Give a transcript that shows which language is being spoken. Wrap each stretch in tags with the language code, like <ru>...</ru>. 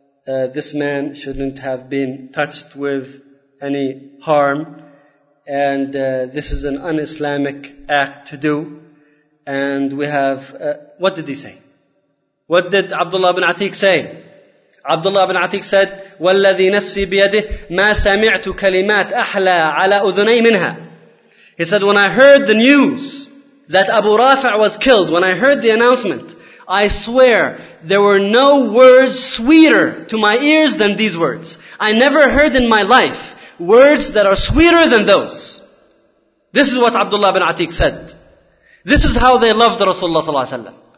<en>This man shouldn't have been touched with any harm. And this is an un-Islamic act to do. And we have... what did he say? What did Abdullah ibn Atiq say? Abdullah ibn Atiq said,</en> <ar>وَالَّذِي نَفْسِي بِيَدِهِ مَا سَمِعْتُ كَلِمَاتْ أَحْلَى عَلَى أُذُنَي مِنْهَا.</ar> <en>He said, when I heard the news that Abu Rafi' was killed, when I heard the announcement, I swear there were no words sweeter to my ears than these words. I never heard in my life words that are sweeter than those. This is what Abdullah ibn Atiq said. This is how they loved Rasulullah صلى الله عليه وسلم.</en>